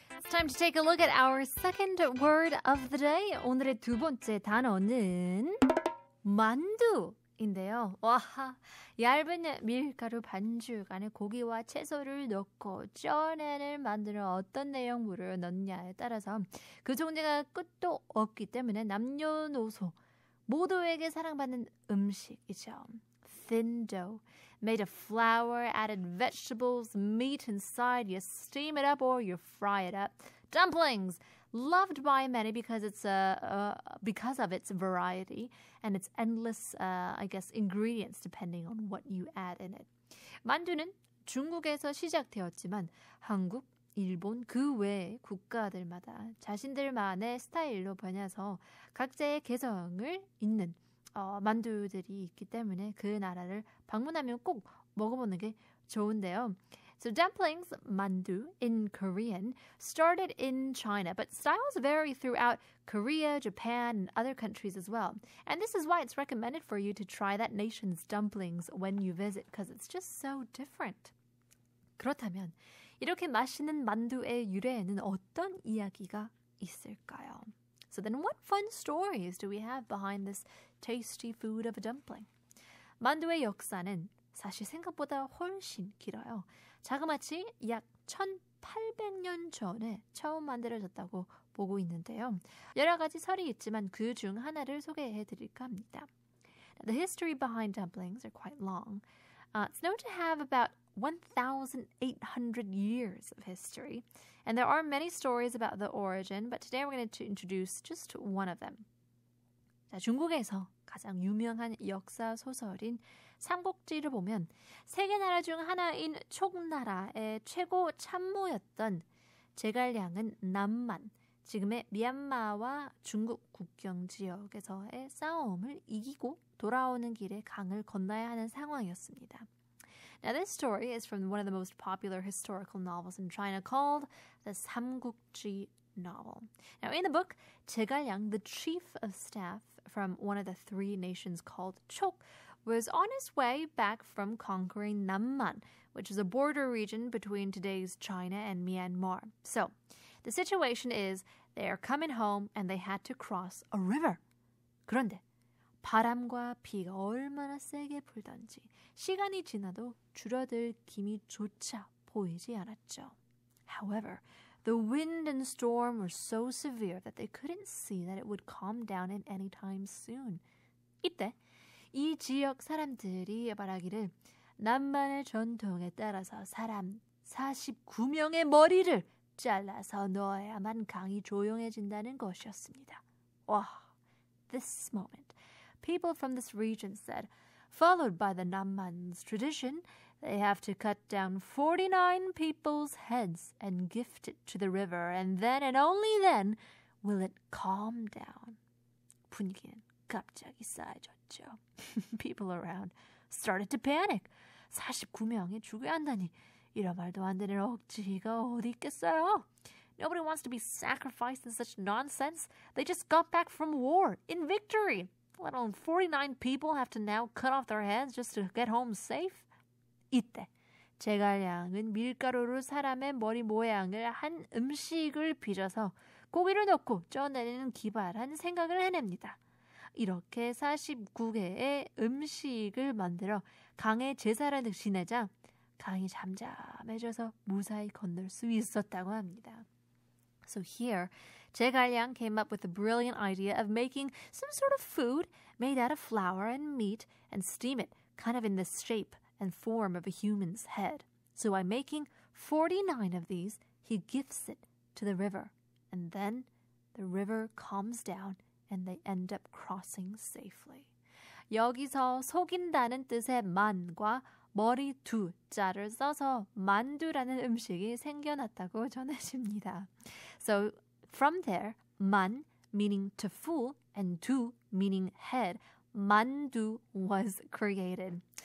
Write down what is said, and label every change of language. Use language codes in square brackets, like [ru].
[en] time to take a look at our second word of the day. [ko] 오늘의 두 번째 단어는 만두인데요. 와하, 얇은 밀가루 반죽 안에 고기와 채소를 넣고 쪄내는 만두는 어떤 내용물을 넣냐에 따라서 그 존재가 끝도 없기 때문에 남녀노소 모두에게 사랑받는 음식이죠. [en] Thin dough made of flour, added vegetables, meat inside. You steam it up or you fry it up. Dumplings, loved by many because it's because of its variety and its endless, I guess, ingredients depending on what you add in it. [ko] 만두는 중국에서 시작되었지만 한국, 일본, 그 외 국가들마다 자신들만의 스타일로 변해서 각자의 개성을 잇는 만두들이 있기 때문에 그 나라를 방문하면 꼭 먹어보는 게 좋은데요. [en] So dumplings, 만두 in Korean, started in China, but styles vary throughout Korea, Japan, and other countries as well. And this is why it's recommended for you to try that nation's dumplings when you visit, because it's just so different. [ko] 그렇다면 이렇게 맛있는 만두의 유래에는 어떤 이야기가 있을까요? [en] So then what fun stories do we have behind this tasty food of a dumpling? [ko] 만두의 역사는 사실 생각보다 훨씬 길어요. 자그마치 약 1800년 전에 처음 만들어졌다고 보고 있는데요. 여러 가지 설이 있지만 그중 하나를 소개해 드릴까 합니다. [en] Now, the history behind dumplings are quite long. It's known to have about 1,800 years of history. And there are many stories about the origin, but today we're going to introduce just one of them. [ko] 자, 중국에서 가장 유명한 역사 소설인 삼국지를 보면 세계 나라 중 하나인 촉나라의 최고 참모였던 제갈량은 남만, 지금의 미얀마와 중국 국경 지역에서의 싸움을 이기고 돌아오는 길에 강을 건너야 하는 상황이었습니다. [en] Now this story is from one of the most popular historical novels in China called the 삼국지 novel. Now in the book, 제갈량, the chief of staff from one of the three nations called Chok, was on his way back from conquering Namman, which is a border region between today's China and Myanmar. So the situation is they are coming home and they had to cross a river. [ko] 그런데 바람과 비가 얼마나 세게 불던지 시간이 지나도 줄어들 기미조차 보이지 않았죠. [en] However, the wind and storm were so severe that they couldn't see that it would calm down in any time soon. [ko] 이때 이 지역 사람들이 말하기를 남만의 전통에 따라서 사람 49명의 머리를 잘라서 넣어야만 강이 조용해진다는 것이었습니다. [en] Wow, this moment. People from this region said, followed by the Namman's tradition, they have to cut down 49 people's heads and gift it to the river, and then and only then will it calm down. [ko] 분위기는 갑자기 싸해졌죠. [en] People around started to panic. [ko] 49명이 죽어야 한다니, 이런 말도 안 되는 억지가 어디 있겠어요? [en] Nobody wants to be sacrificed in such nonsense. They just got back from war in victory. Let alone 49 people have to now cut off their heads just to get home safe? [ko] 이때, 제갈량은 밀가루로 사람의 머리 모양을 한 음식을 빚어서 고기를 넣고 쪄내는 기발한 생각을 해냅니다. 이렇게 49개의 음식을 만들어 강에 제사를 지내자 강이 잠잠해져서 무사히 건널 수 있었다고 합니다. [en] So here, 제갈량 came up with a brilliant idea of making some sort of food made out of flour and meat and steam it kind of in the shape and form of a human's head. So by making 49 of these, he gifts it to the river. And then the river calms down and they end up crossing safely. [ko] 여기서 속인다는 뜻의 만과 머리 두 자를 써서 만두라는 음식이 생겨났다고 전해집니다. [en] So from there, 만 meaning to fool and 두 meaning head, 만두 was created.